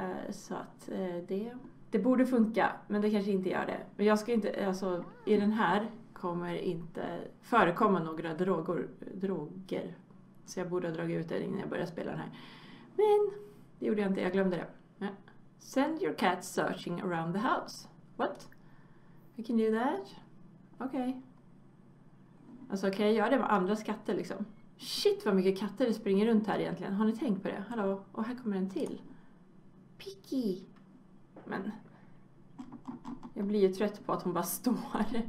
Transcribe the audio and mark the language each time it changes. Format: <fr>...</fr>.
<sv>Så att det borde funka. Men det kanske inte gör det. Men jag ska inte, alltså i den här kommer inte förekomma några droger. Så jag borde ha dragit ut det innan jag började spela den här. Men det gjorde jag inte, jag glömde det. Ja.</sv> <en>Send your cat searching around the house. What? You can do that? Okej. Okay.</en> <sv>Alltså kan jag göra det med andra katter liksom? Shit vad mycket katter det springer runt här egentligen. Har ni tänkt på det? Hallå? Och här kommer en till. Picky. Men. Jag blir ju trött på att hon bara står.</sv>